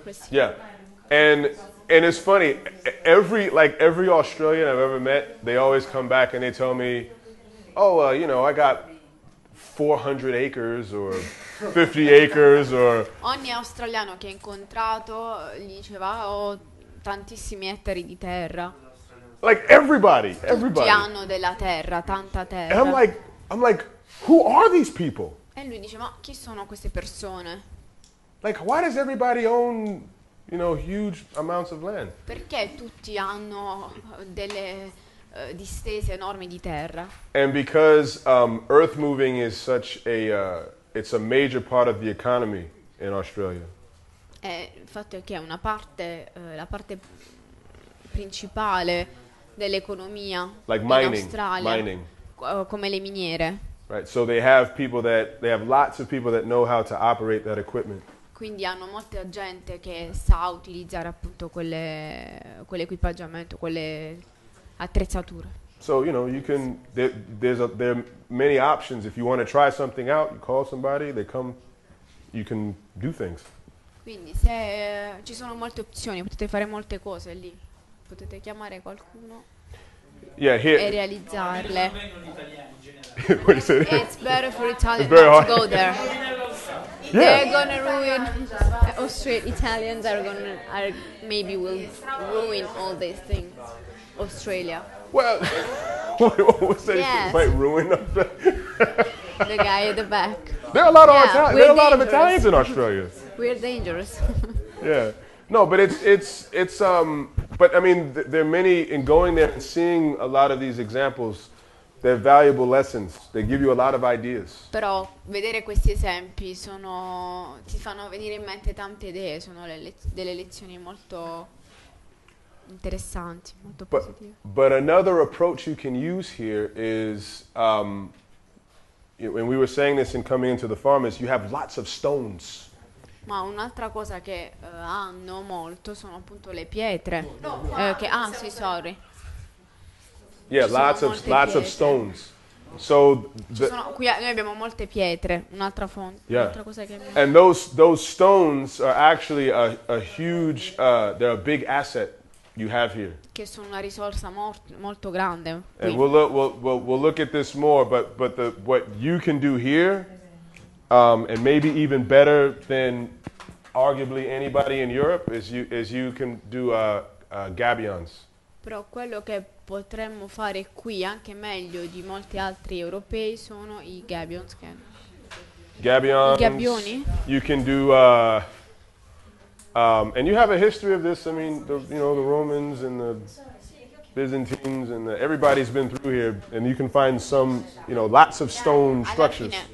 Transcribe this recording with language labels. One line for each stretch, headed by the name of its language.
English: Yeah, and it's funny, every Australian I've ever met, they always come back and they tell me, oh, well, you know, I got 400 acres or 50 acres or...
Italian: Ogni australiano che ho incontrato gli diceva, ho tantissimi ettari di terra.
English: Like everybody.
Italian: Tutti hanno della terra, tanta terra.
English: And I'm like, who are these people?
Italian: E lui dice, ma chi sono queste persone?
English: Like, why does everybody own, you know, huge amounts of land?
Italian: Perché tutti hanno delle distese enormi di terra?
English: And because earth moving is such a, it's a major part of the economy in Australia.
Italian: E il fatto è che è una parte, la parte principale dell'economia
English: like
Italian: in Australia.
English: Mining.
Italian: Come le miniere.
English: Right, so they have people that, they have lots of people that know how to operate that equipment.
Italian: Quindi hanno molta gente che sa utilizzare appunto quell'equipaggiamento, quelle attrezzature.
English: So, you know, you can, there are many options. If you want to try something out, you call somebody, they come, you can do things.
Italian: Quindi se ci sono molte opzioni, potete fare molte cose lì. Potete chiamare qualcuno.
English: Yeah, here.
Italian: E realizzarle.
English: What do you say? It's better for Italians to go there. Yeah. They're gonna ruin Australia. Italians are gonna maybe will ruin all these things. Australia. Well, what was that? Yes. Might ruin up the guy at the back. There are a lot of yeah, there are a lot of Italians in Australia. We're dangerous. Yeah. No, but it's but I mean, there are many in going there and seeing a lot of these examples. They're valuable lessons. They give you a lot of ideas.
Italian: Però vedere questi esempi sono ti fanno venire in mente tante idee, sono delle lezioni molto interessanti, molto positive.
English: But another approach you can use here is when we were saying this in coming into the farm is you have lots of stones.
Italian: Ma un'altra cosa che hanno molto sono appunto le pietre.
English: No,
Italian: che anzi,
English: sorry. Yeah, lots of stones. So
Italian: noi abbiamo molte pietre, un'altra fonte,
English: yeah.
Italian: Un'altra cosa che abbiamo.
English: And those stones are actually a huge they're a big asset you have here.
Italian: Che sono una risorsa molto grande.
English: And we'll look at this more, but the what you can do here and maybe even better than arguably anybody in Europe is you can do gabions.
Italian: Però quello che potremmo fare qui anche meglio di molti altri europei sono i gabions.
English: Gabions.
Italian: I gabioni.
English: You can do And you have a history of this. I mean, the Romans and the Byzantines and everybody's been through here, and you can find some, lots of stone structures.